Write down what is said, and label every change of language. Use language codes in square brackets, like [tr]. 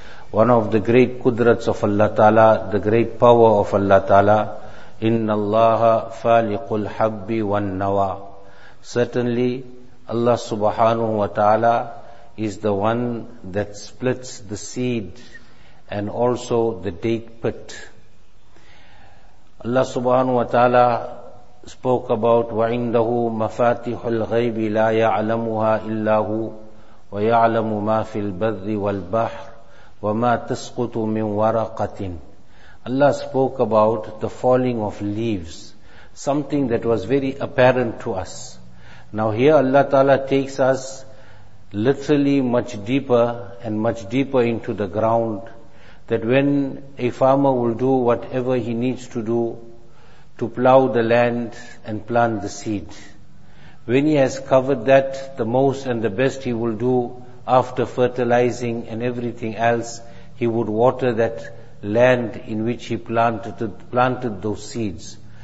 [en] One of the great Qudrats of Allah Ta'ala, the great power of Allah Ta'ala, [ar] إِنَّ اللَّهَ فَالِقُ الْحَبِّ وَالنَّوَى. [en] Certainly Allah Subhanahu wa Ta'ala is the one that splits the seed and also the date pit. Allah Subhanahu wa Ta'ala spoke about [ar] وَعِنْدَهُ مَفَاتِحُ الْغَيْبِ لَا يَعْلَمُهَا إِلَّا هُوَ وَيَعْلَمُ مَا فِي الْبَرِّ وَالْبَحْرِ وَمَا تَسْقُطُ مِنْ وَرَقَةٍ. [en] Allah spoke about the falling of leaves, something that was very apparent to us. Now here Allah Ta'ala takes us literally much deeper and much deeper into the ground, that when a farmer will do whatever he needs to do to plow the land and plant the seed, when he has covered that, the most and the best he will do after fertilizing and everything else, he would water that land in which he planted those seeds.